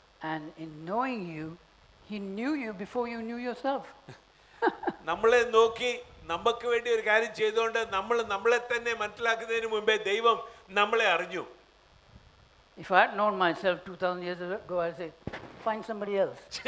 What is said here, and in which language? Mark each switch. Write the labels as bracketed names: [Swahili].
[English] And in knowing you, he knew you before you knew yourself. [Malayalam] നമ്മളെ നോക്കി നമുക്ക് വേണ്ടി ഒരു കാര്യം ചെയ്തുകൊണ്ട് നമ്മൾ നമ്മളെ തന്നെ മനസ്സിലാക്കുന്നതിന് മുമ്പേ ദൈവം നമ്മളെ അറിഞ്ഞു. [English] If I had known myself 2000 years ago, I'd say, find somebody else.